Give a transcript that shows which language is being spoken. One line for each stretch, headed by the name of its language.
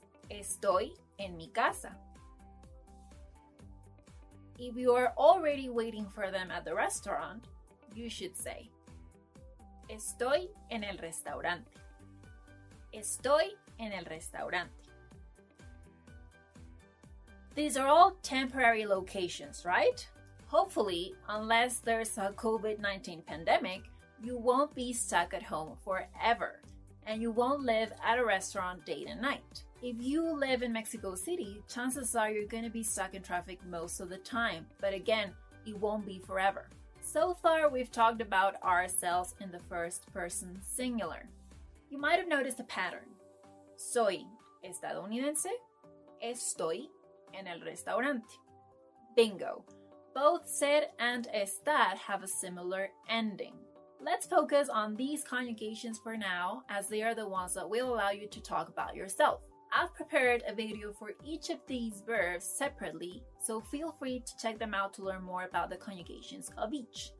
Spanish: Estoy en mi casa.
English: If you are already waiting for them at the restaurant, you should say,
Spanish: Estoy en el restaurante. Estoy en el restaurante.
English: These are all temporary locations, right? Hopefully, unless there's a COVID-19 pandemic, you won't be stuck at home forever, and you won't live at a restaurant day and night. If you live in Mexico City, chances are you're going to be stuck in traffic most of the time, but again, it won't be forever. So far, we've talked about ourselves in the first person singular. You might have noticed a pattern.
Spanish: Soy estadounidense. Estoy en el restaurante.
English: Bingo. Both ser and estar have a similar ending. Let's focus on these conjugations for now, as they are the ones that will allow you to talk about yourself. I've prepared a video for each of these verbs separately, so feel free to check them out to learn more about the conjugations of each.